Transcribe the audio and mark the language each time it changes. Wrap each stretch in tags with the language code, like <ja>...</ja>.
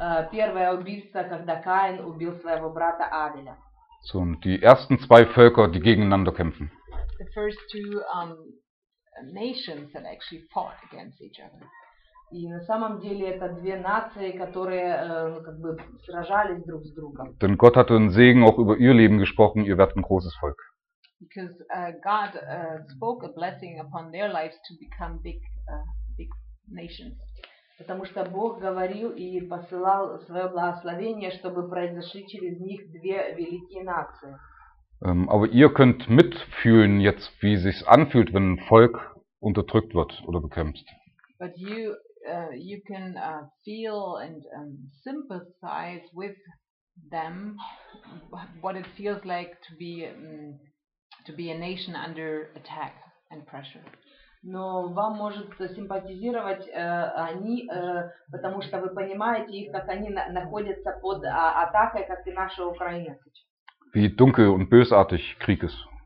<ru>Первое убийство, когда Каин убил своего брата Абеля.</ru> <de>So, die ersten zwei Völker, die gegeneinander kämpfen.</de> <en>The first two nations that actually fought against each other.</en> <ru>И на самом деле это две нации, которые как бы сражались друг с другом.</ru> <de>Denn Gott hatte einen Segen auch über ihr Leben gesprochen, ihr werdet ein großes Volk.</de> <en>Because God spoke a blessing upon their lives to become big nations.</en> <ru>Потому что Бог говорил и посылал свое благословение, чтобы произошли через них две великие нации.</ru> <de>Aber ihr könnt mitfühlen jetzt, wie sich's anfühlt, wenn ein Volk unterdrückt wird oder bekämpft.</de> <en>But you can feel and sympathize with them what it feels like to be a nation under attack and pressure.</en> <ru>Но вам может симпатизировать они, потому что вы понимаете их, как они находятся под атакой, как и наша Украина.</ru> <de>Wie dunkel und bösartig Krieg ist.</de>